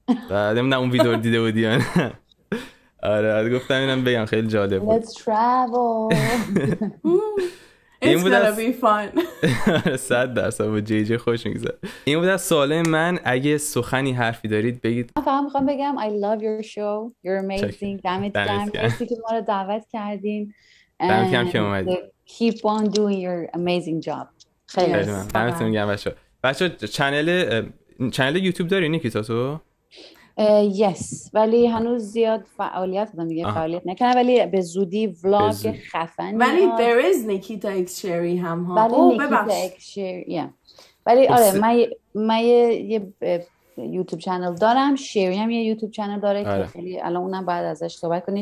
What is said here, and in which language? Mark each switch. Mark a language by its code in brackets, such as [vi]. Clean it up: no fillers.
[fa] بعد نمیدونم اون ویدیو رو دیده بودی یا نه. آره گفتم اینم بگم، خیلی جالب بود. [en] Let's travel. It's gonna be fun. [fa] 100% با جی جی خوش میگذره. این بود از سوال من. اگه سخنی حرفی دارید بگید. من فقط میخوام بگم [en] I love your show. You're amazing. [fa] دمت گرم. مرسی که ما رو دعوت کردین. دمت گرم که اومدید. [en] Keep on doing your amazing job. [fa] خیلی ممنون. دمتون گرم بچه‌ها. بچه‌ها چنل یوتیوب داری نیکیتا تو؟ [en] Yes. [fa] ولی هنوز زیاد فعالیت دارم دیگه. فعالیت نکنه ولی به زودی ولاگ خفن. ولی [en] there is Nikita X Sherry [fa] هم ها. ولی Nikita X Sherry. ولی آره من یه یوتیوب چنل دارم. شری هم یه یوتیوب چنل داره که خیلی الان اونم بعد ازش صحبت کنی.